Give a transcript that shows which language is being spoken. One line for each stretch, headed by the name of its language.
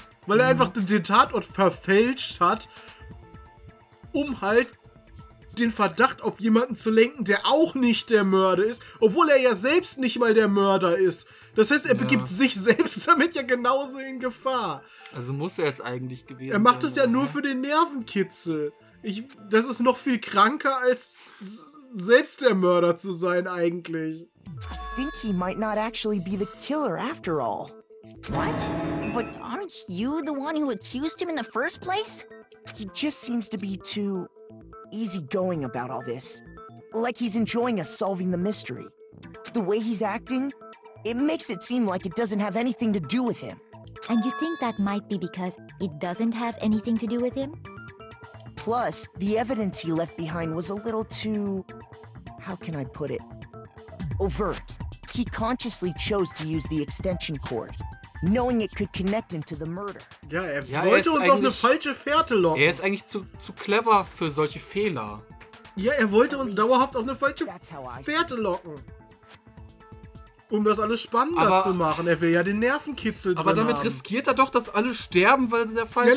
German: Weil er einfach den Tatort verfälscht hat, um halt den Verdacht auf jemanden zu lenken, der auch nicht der Mörder ist, obwohl er ja selbst nicht mal der Mörder ist. Das heißt, er begibt sich selbst damit ja genauso in Gefahr. Also muss er es eigentlich gewesen sein. Er macht sein, es ja oder? Nur für den Nervenkitzel. Das ist noch viel kranker als selbst der Mörder zu sein eigentlich.
English: I think he might not actually be the killer after all. What? But aren't you the one who accused him in the first place? He just seems to be too easygoing about all this. Like he's enjoying us solving the mystery. The way he's acting, it makes it seem like it doesn't have anything to do with him. And you think that might be because it doesn't have anything to do with him? Plus, the evidence he left behind was a little too, how can I put it, overt. He consciously chose to use the extension cord, knowing it could connect him to the murder.
German: Ja, er wollte uns auf eine falsche Fährte locken. Er ist eigentlich zu clever für solche Fehler. Ja, er wollte uns dauerhaft auf eine falsche Fährte locken. um das alles spannender zu machen. Er will ja den Nervenkitzel drin haben. Aber damit riskiert er doch, dass alle sterben, weil der falsche...